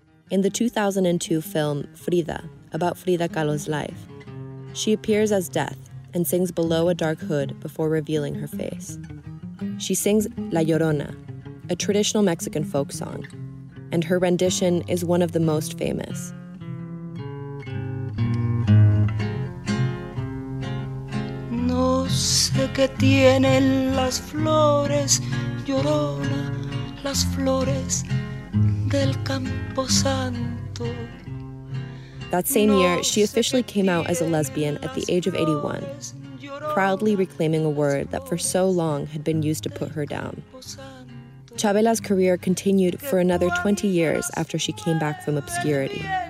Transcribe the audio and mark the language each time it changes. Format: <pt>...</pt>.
<en>In the 2002 film Frida, about Frida Kahlo's life, she appears as Death and sings below a dark hood before revealing her face. She sings La Llorona, a traditional Mexican folk song, and her rendition is one of the most famous.</en> <es>No sé qué tienen las flores, llorona, las flores del campo santo.</es> <en>That same year, she officially came out as a lesbian at the age of 81, proudly reclaiming a word that for so long had been used to put her down. Chabela's career continued for another 20 years after she came back from obscurity.</en>